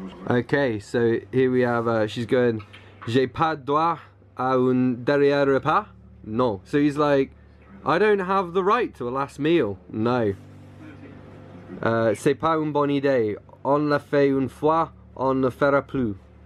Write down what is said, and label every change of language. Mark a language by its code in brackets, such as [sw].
[en] Okay, so here we have, she's going, [fr] j'ai pas droit à un dernier repas? [en] No. So he's like, I don't have the right to a last meal. No. [fr] C'est pas une bonne idée. On le fait une fois, on ne fera plus.